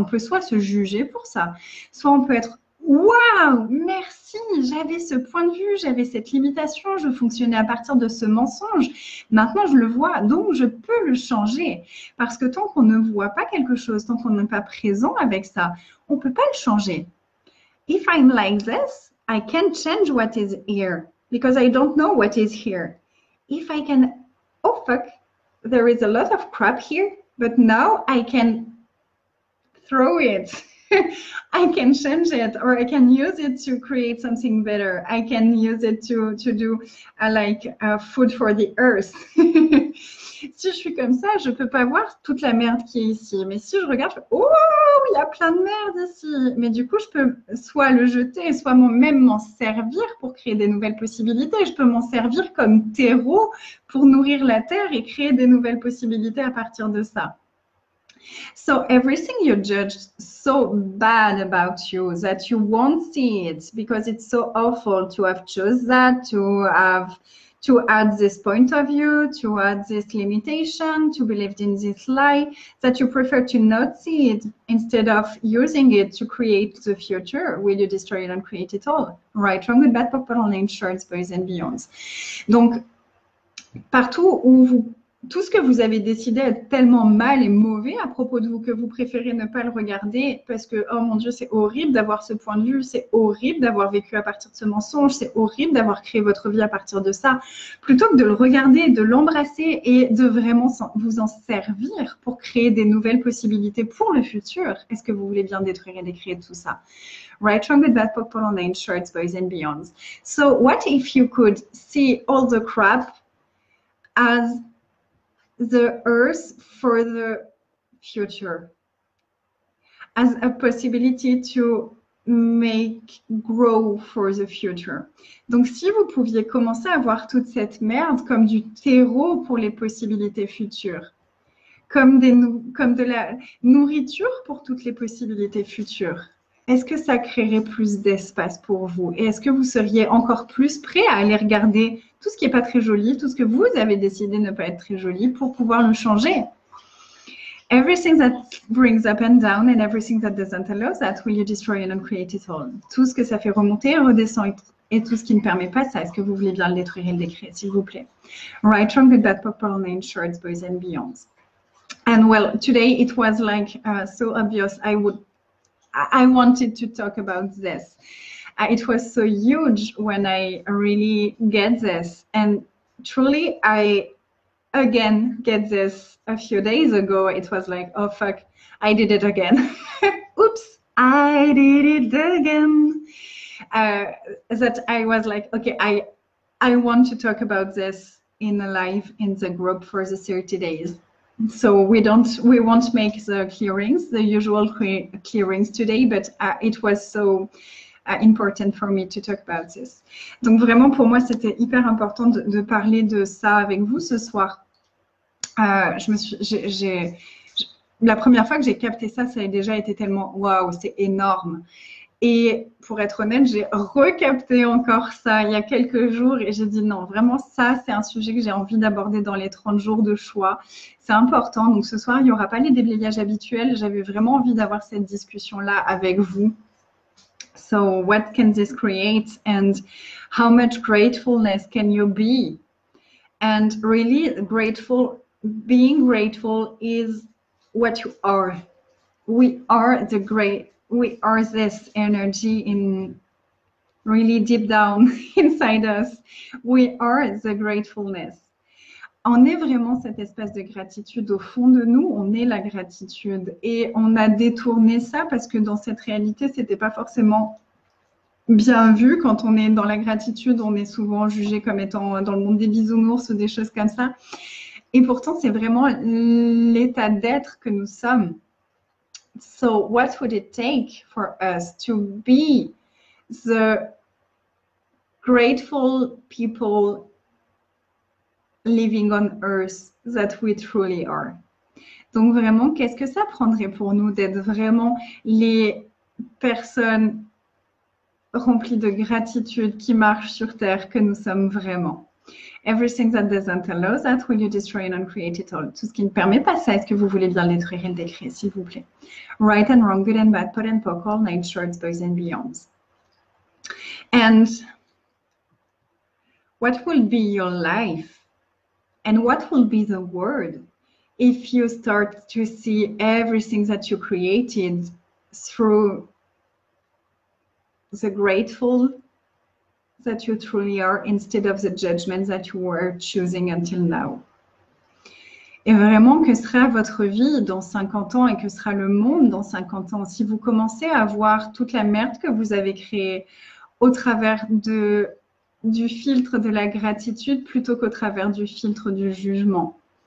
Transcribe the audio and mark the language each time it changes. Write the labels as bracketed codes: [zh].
[fr] On peut soit se juger pour ça, soit on peut être « Waouh, merci, j'avais ce point de vue, j'avais cette limitation, je fonctionnais à partir de ce mensonge. Maintenant, je le vois, donc je peux le changer. » Parce que tant qu'on ne voit pas quelque chose, tant qu'on n'est pas présent avec ça, on ne peut pas le changer. [en] « If I'm like this, I can change what is here because I don't know what is here. If I can, oh fuck, there is a lot of crap here, but now I can throw it. I can change it or I can use it to create something better. I can use it to do a food for the earth. [fr] Si je suis comme ça, je peux pas voir toute la merde qui est ici. Mais si je regarde, oh, il y a plein de merde ici. Mais du coup, je peux soit le jeter, soit même m'en servir pour créer des nouvelles possibilités. Je peux m'en servir comme terreau pour nourrir la terre et créer des nouvelles possibilités à partir de ça. [en] So everything you judge so bad about you that you won't see it because it's so awful to have chose that, to add this point of view, to add this limitation, to believe in this lie, that you prefer to not see it instead of using it to create the future. Will you destroy it and create it all? Right, wrong, good, bad, purple, and in shorts, boys and beyonds. [fr] Donc, partout où vous... Tout ce que vous avez décidé est tellement mal et mauvais à propos de vous que vous préférez ne pas le regarder parce que, oh mon Dieu, c'est horrible d'avoir ce point de vue, c'est horrible d'avoir vécu à partir de ce mensonge, c'est horrible d'avoir créé votre vie à partir de ça. Plutôt que de le regarder, de l'embrasser et de vraiment vous en servir pour créer des nouvelles possibilités pour le futur, est-ce que vous voulez bien détruire et décrire tout ça? Right, wrong, good, bad, pop, polo, nine, shorts, boys and beyonds. [en] So, what if you could see all the crap as the earth for the future as a possibility to make grow for the future. [fr] Donc si vous pouviez commencer à voir toute cette merde comme du terreau pour les possibilités futures, comme de la nourriture pour toutes les possibilités futures, est-ce que ça créerait plus d'espace pour vous? Et est-ce que vous seriez encore plus prêt à aller regarder tout ce qui n'est pas très joli, tout ce que vous avez décidé ne pas être très joli pour pouvoir le changer? [en] Everything that brings up and down and everything that doesn't allow that, will you destroy it and create it all? [fr] Tout ce que ça fait remonter et redescendre et tout ce qui ne permet pas ça, est-ce que vous voulez bien le détruire et le décrire, s'il vous plaît? [en] Right, wrong, good, bad, purple, name, shorts, boys and beyonds. And well, today it was like so obvious, I wanted to talk about this. It was so huge when I really get this. And truly, I again get this a few days ago. It was like, oh, fuck, I did it again. Oops, I did it again. That I was like, okay, I want to talk about this in the live in the group for the 30 days. So we won't make the clearings, the usual clearings today, but it was so important for me to talk about this. [fr] Donc vraiment pour moi c'était hyper important de parler de ça avec vous ce soir. La première fois que j'ai capté ça, ça a déjà été tellement waouh, c'est énorme. Et pour être honnête, j'ai recapté encore ça il y a quelques jours et j'ai dit non, vraiment ça, c'est un sujet que j'ai envie d'aborder dans les 30 jours de choix. C'est important. Donc ce soir, il n'y aura pas les déblayages habituels. J'avais vraiment envie d'avoir cette discussion-là avec vous. [en] So what can this create and how much gratefulness can you be? And really grateful, being grateful is what you are. We are the great. We are this energy in really deep down inside us. We are the gratefulness. [fr] On est vraiment cette espèce de gratitude au fond de nous. On est la gratitude. Et on a détourné ça parce que dans cette réalité, c'était pas forcément bien vu. Quand on est dans la gratitude, on est souvent jugé comme étant dans le monde des bisounours ou des choses comme ça. Et pourtant, c'est vraiment l'état d'être que nous sommes. [en] So, what would it take for us to be the grateful people living on earth that we truly are? [fr] Donc vraiment, qu'est-ce que ça prendrait pour nous d'être vraiment les personnes remplies de gratitude qui marchent sur Terre que nous sommes vraiment? [en] Everything that doesn't allow that, will you destroy and uncreate it all? [fr] Tout ce qui ne permet pas ça, est-ce que vous voulez bien le détruire et le décréer, s'il vous plaît? [en] Right and wrong, good and bad, pot and poke, all night shorts, boys and beyonds. And what will be your life? And what will be the world if you start to see everything that you created through the grateful that you truly are instead of the judgment that you were choosing until now? [fr] Et vraiment, que sera votre vie dans 50 ans et que sera le monde dans 50 ans si vous commencez à voir toute la merde que vous avez créée au travers du filtre de la gratitude plutôt qu'au travers du filtre du jugement?